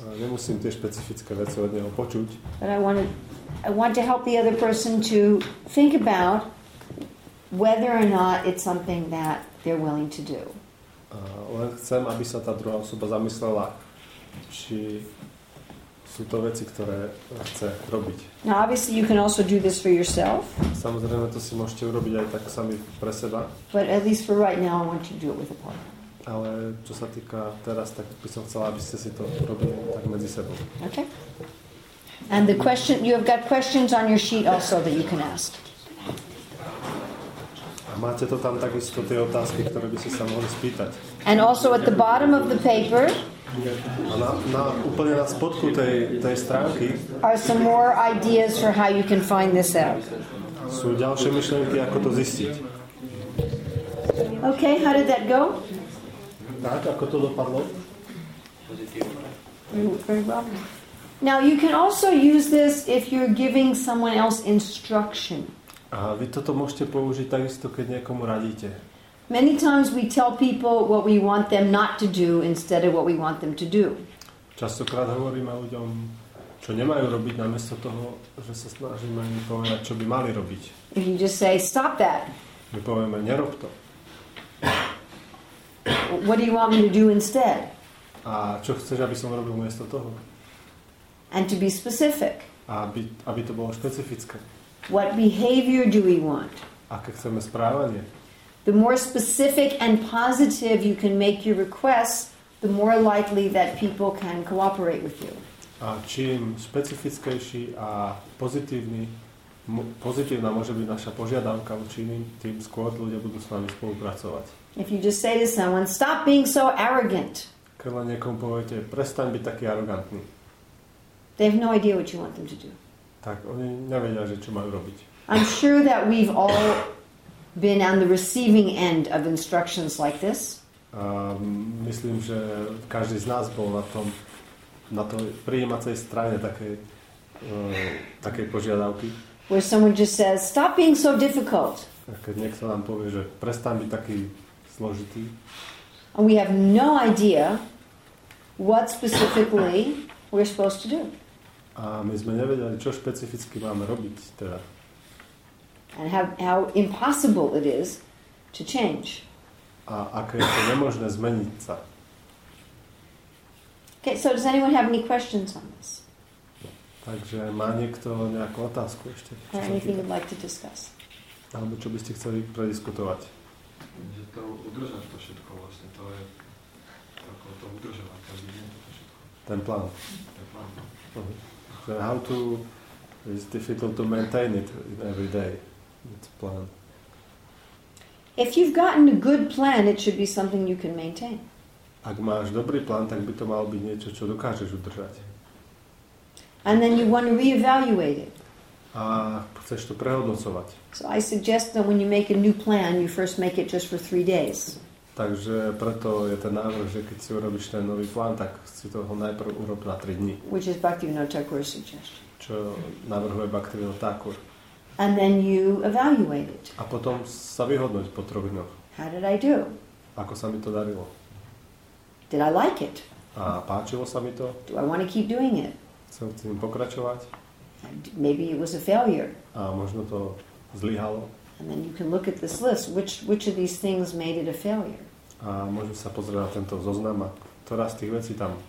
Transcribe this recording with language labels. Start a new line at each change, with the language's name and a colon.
Slovak: A nemusím tie špecifické veci od neho počuť.
English: But I want to help the other person to think about whether or not it's something that they're willing to do.
Slovak: Len chcem, aby sa tá druhá osoba zamyslela, či sú to veci, ktoré chce robiť.
English: Now obviously you can also do this for yourself.
Slovak: Samozrejme, to si môžete urobiť aj tak sami pre seba.
English: But at least for right now I want you to do it with a partner.
Slovak: Ale čo sa týka teraz, tak by som chcela, aby ste si to robili tak medzi sebou.
English: Okay. And the question, you have got questions on your sheet also that you can ask.
Slovak: A máte to tam takisto tie otázky, ktoré by ste sa mohli spýtať.
English: And also at the bottom of the paper.
Slovak: A na úplne na spodku tej stránky.
English: Are some more ideas for how you can find this out.
Slovak: Sú ďalšie myšlienky, ako to zistiť.
English: Okay, how did that go?
Slovak: Tak, ako to dopadlo?
English: Very well. Now you can also use this if you're giving someone else instruction.
Slovak: A vy toto môžete použiť takisto, keď niekomu radíte.
English: Many times we tell people what we want them not to do instead of what we want them to do.
Slovak: Častokrát hovoríme ľuďom, čo nemajú robiť, namiesto toho, že sa snažíme im povedať, čo by mali robiť.
English: If you just say, stop that.
Slovak: My povieme, nerob to.
English: What do you want me to do instead?
Slovak: A čo chceš, aby som robil miesto toho?
English: And to be specific.
Slovak: Aby to bolo špecifické.
English: What behavior do we want?
Slovak: Aké chceme správanie?
English: The more specific and positive you can make your requests, the more likely that people can cooperate with you.
Slovak: A čím špecifickejší a pozitívna môže byť naša požiadavka učiním, tým skôr ľudia budú s nami spolupracovať.
English: If you just say to someone, stop being so arrogant.
Slovak: Keď len niekomu poviete, prestaň byť taký arrogantný.
English: They have no idea what you want them to do.
Slovak: Tak oni nevedia, že čo majú robiť.
English: I'm sure that we've all been on the receiving end of instructions like this.
Slovak: Myslím, že každý z nás bol na tej prijímacej strane takej požiadavky.
English: Where someone just says, stop being so difficult.
Slovak: Keď niekto nám povie, že prestaň byť taký zložitý.
English: And we have no idea what specifically we're supposed to do.
Slovak: A my sme nevedeli, čo špecificky máme robiť teda.
English: And how impossible it is to change.
Slovak: A ako je to nemožné zmeniť sa.
English: Okay, so does anyone have any questions on this?
Slovak: Takže má niekto nejakú otázku ešte?
English: Or anything you'd like to discuss?
Slovak: Alebo čo by ste chceli prediskutovať? Že to udržať to všetko vlastne, to je ako to udržovať každý deň to všetko. Ten plán.
English: So how to, it's difficult to maintain it every day, it's a plan. If you've gotten a good plan, it should be something you can maintain.
Slovak: Ak máš dobrý plán, tak by to malo byť niečo, čo dokážeš udržať.
English: And then you want to reevaluate it.
Slovak: A chceš to prehodnocovať.
English: So I suggest that when you make a new plan, you first make it just for 3 days.
Slovak: Takže preto je ten návrh, že keď si urobíš ten nový plán, tak si toho najprv urob na 3 dni.
English: Which is Bhaktivinoda Thakur's suggestion.
Slovak: Čo navrhuje Bhaktivinoda Thakur.
English: And then you evaluate it.
Slovak: A potom sa vyhodnoť po 3 dňoch.
English: How did I do?
Slovak: Ako sa mi to darilo?
English: Did I like it?
Slovak: A páčilo sa mi to?
English: Do I want to keep doing it?
Slovak: Chcem s tým pokračovať?
English: And maybe it was a failure.
Slovak: A možno to zlyhalo.
English: And then you can look at this list, which of these things made it a failure.
Slovak: A môžem sa pozrieť na tento zoznam, ktorá z tých vecí tam.